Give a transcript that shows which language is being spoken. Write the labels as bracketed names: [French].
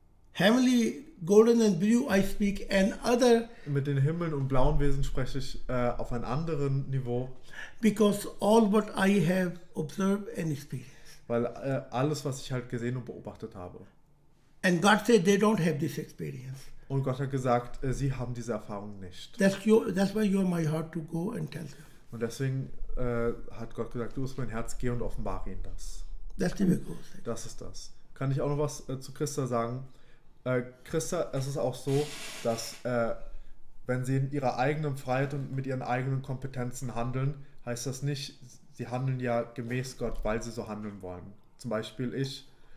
[English] Heavenly, golden and blue, I speak and other. [German] Mit den Himmeln und blauen Wesen spreche ich auf einem anderen Niveau. [English] Because all what I have observed and experienced. [German] Weil alles, was ich halt gesehen und beobachtet habe. [English] And God said they don't have this experience. [German] Und Gott hat gesagt, sie haben diese Erfahrung nicht. [English] That's why you are my heart to go and tell them. [German] Und deswegen hat Gott gesagt, du bist mein Herz, geh und offenbare ihnen das. [English] That's the because. [German] Das ist das. Kann ich auch noch was zu Christa sagen? Christa, es ist auch so, dass wenn sie in ihrer eigenen Freiheit und mit ihren eigenen Kompetenzen handeln, heißt das nicht, sie handeln ja gemäß Gott, weil sie so handeln wollen. Zum Beispiel ich.